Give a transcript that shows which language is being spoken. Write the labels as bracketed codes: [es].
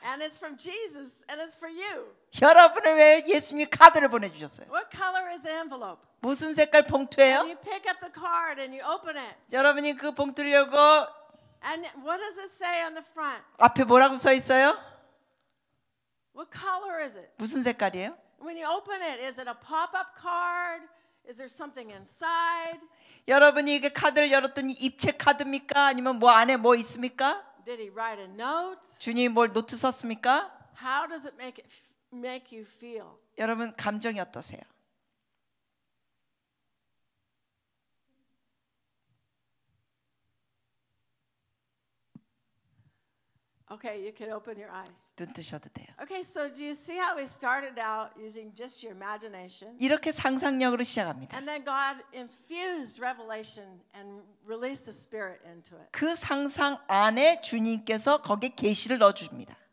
[en] And it's from Jesus, and it's for you. [ko] 여러분을 위해 예수님이 카드를 보내주셨어요. [en] What color is the envelope? [ko] 무슨 색깔 봉투예요? [en] And you pick up the card and you open it. [ko] 여러분이 그 봉투를 열고 [en] and what does it say on the front? [ko] 앞에 뭐라고 써 있어요? [en] What color is it? [ko] 무슨 색깔이에요? [en] When you open it, is it a pop-up card? Is there something inside? [ko] 여러분이 이게 카드를 열었더니 입체 카드입니까? 아니면 뭐 안에 뭐 있습니까? [en] Did he write a note? [ko] 주님이 뭘 노트 썼습니까? [en] How does it make you feel? [ko] 여러분 감정이 어떠세요? [en] Okay, you can open your eyes. [ko] 눈 뜨셔도 돼요. [en] Okay, so do you see how we started out using just your imagination? [ko] 이렇게 상상력으로 시작합니다. [en] And then God infused revelation and released the spirit into it. [ko] 그 상상 안에 주님께서 거기에 계시를 넣어 줍니다.